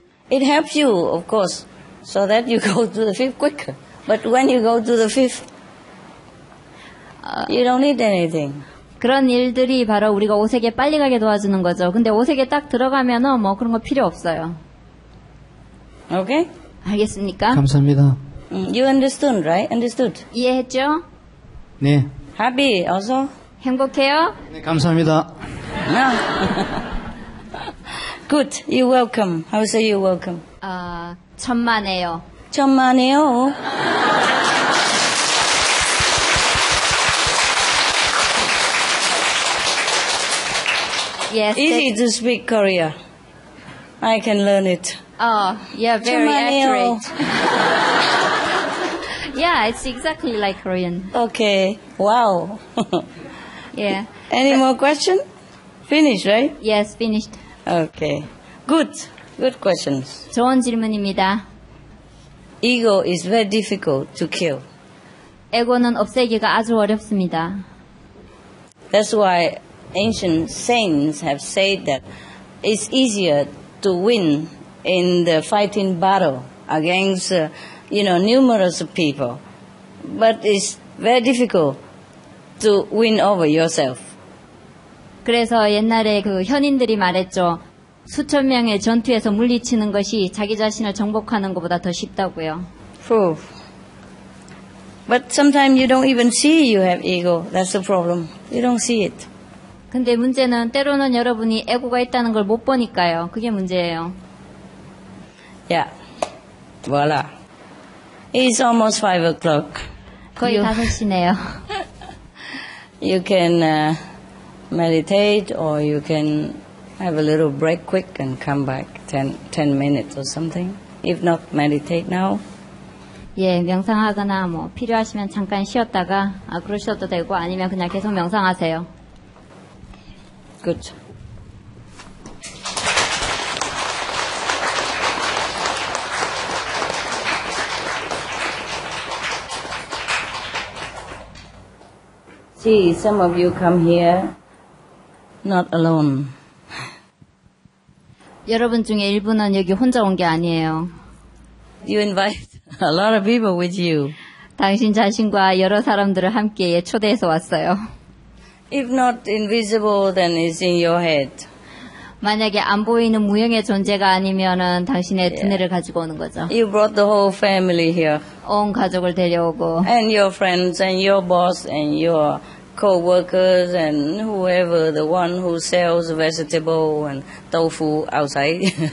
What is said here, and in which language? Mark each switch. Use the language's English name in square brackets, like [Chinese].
[English] It helps you, of course, so that you go to the fifth quicker. But when you go to the fifth, you don't need anything. [Korean] 그런 일들이 바로 우리가 오색에 빨리 가게 도와주는 거죠. 근데 오색에 딱 들어가면은 뭐 그런 거 필요 없어요. [English] Okay? [Korean] 알겠습니까? 감사합니다. [English] You understood, right? Understood? [Korean] 이해했죠? 네. [English] Happy, also? [Korean] 행복해요? 네, 감사합니다. [English] Good, you're welcome. How say you're welcome? [Korean] 천만에요. 천만에요? [English] Yes, easy to speak Korea. I can learn it. Oh, yeah, very accurate. Yeah, it's exactly like Korean. Okay, wow. Yeah. Any more questions? Finished, right? Yes, finished. Okay. Good. Good questions. [Korean] 좋은 질문입니다. [English] Ego is very difficult to kill. [Korean] 에고는 없애기가 아주 어렵습니다. [English] That's why ancient saints have said that it's easier to win in the fighting battle against, you know, numerous people. But it's very difficult to win over yourself. [Korean] 그래서 옛날에 그 현인들이 말했죠. 수천 명의 전투에서 물리치는 것이 자기 자신을 정복하는 것보다 더 쉽다고요. [English] But sometimes you don't even see you have ego. That's the problem. You don't see it. [Korean] 근데 문제는 때로는 여러분이 에고가 있다는 걸 못 보니까요. 그게 문제예요. [English] Yeah. Voila. It's almost 5 o'clock. [Korean] 거의 5시네요. [English] You can meditate or you can have a little break quick and come back 10 minutes or something. If not, meditate now. [Korean] 예, 명상하거나 뭐 필요하시면 잠깐 쉬었다가 그러셔도 되고 아니면 그냥 계속 명상하세요. [English] Good. See, some of you come here not alone. [Korean] 여러분 중에 일부는 여기 혼자 온 게 아니에요. [English] You invite a lot of people with you. [Korean] 당신 자신과 여러 사람들을 함께 초대해서 왔어요. [English] If not invisible, then it's in your head. [Korean] 만약에 안 보이는 무형의 존재가 아니면은 당신의 두뇌를 yeah. 가지고 오는 거죠. [English] You brought the whole family here. [Korean] 온 가족을 데려오고. [English] And your friends, and your boss, and your co-workers, and whoever, the one who sells vegetable and tofu outside.